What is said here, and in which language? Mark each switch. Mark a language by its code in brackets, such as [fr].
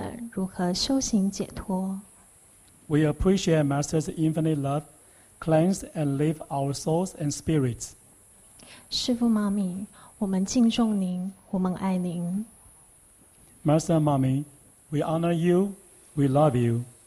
[zh] 感恩师父慈悲大爱，洗涤我们的心灵，提升我们灵性，同时教育我们如何修行解脱。 [en] We appreciate Master's infinite love, cleanse and lift our souls and spirits. [zh] 师父妈咪， 我们敬重您, 我们爱您。 [en] Master and Mommy, we honor you, we love you.